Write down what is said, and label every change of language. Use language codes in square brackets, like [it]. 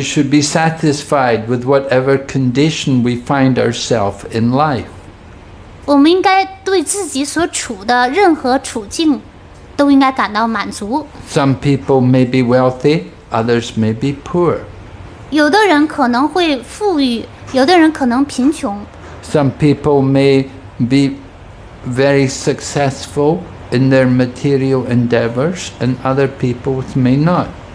[en] should be satisfied with whatever condition we find ourselves in life. [zh] 我们应该对自己所处的任何处境都应该感到满足。 [en] Some people may be wealthy, others may be poor. [zh] 有的人可能会富裕，有的人可能贫穷。 [en] Some people may be very successful in their material endeavors, and other people may not.